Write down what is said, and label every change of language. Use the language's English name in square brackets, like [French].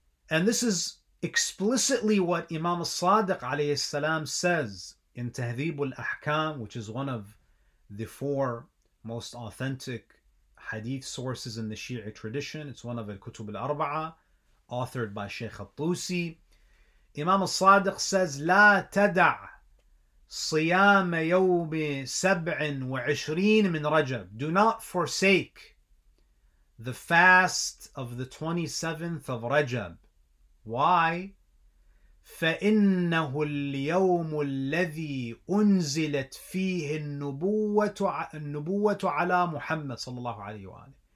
[English] And this is explicitly what Imam al-Sadiq alayhi salam says in Tahdhib al-Ahkam, which is one of the four most authentic hadith sources in the Shi'i tradition. It's one of the Kutub al-Arba'a, authored by Shaykh al-Tusi. [Arabic] Imam al-Sadiq says, لا تدع صيام يوم سبع وعشرين من رجب. [English] Do not forsake the fast of the 27th of Rajab. [Arabic] Why? فَإِنَّهُ الْيَوْمُ الَّذِي أُنزِلَتْ فِيهِ النُّبُوَّةُ عَلَى مُحَمَّدٍ صلى الله عليه وآله.